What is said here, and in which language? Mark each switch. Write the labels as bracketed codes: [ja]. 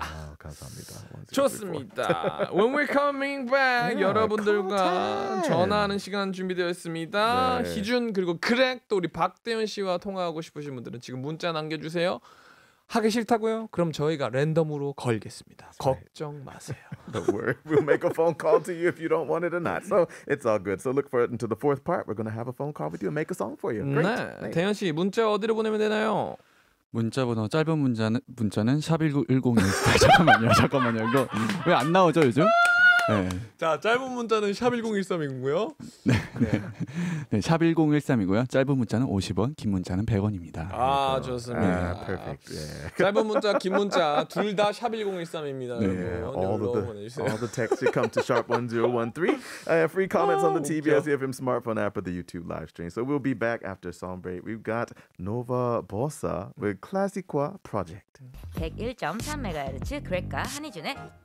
[ko] 아, 감사합니다. 좋습니다. [en] When we're coming back yeah, [ko] 여러분들과 전화하는 시간 준비되어 있습니다. 네. 희준 그리고 크랙 또 우리 박대현 씨와 통화하고 싶으신 분들은 지금 문자 남겨주세요. 하기 싫다고요? 그럼 저희가 랜덤으로 걸겠습니다. [en] That's 걱정 right. [ko] 마세요. [en] Don't worry. We'll make a phone call to you if you don't want it or not. So it's all good. So look for it into the fourth part. We're going to have a phone call with you and make a song for you. Great. [ko] 네. 대현 씨, 문자 어디로 보내면 되나요? 문자 번호 짧은 문자는 샵1910. 잠깐만요. 잠깐만요. 이거 왜 안 나오죠, 요즘? 네. 자, 짧은 문자는 샵1013이고요. 네. 네. 네, 샵1013이고요. 짧은 문자는 50원, 긴 문자는 100원입니다. 아, 그리고. 좋습니다. 아, 퍼펙트. 예. 짧은 문자, 긴 문자 둘 다 샵1013입니다. 네. 여러분. [en] All the texts come to sharp1013. I have free comments on the TBS FM smartphone app or the YouTube live stream. So we'll be back after song break. We've got Nova Bossa with Classica Project. [ko] 101.3MHz 그레카 한희준의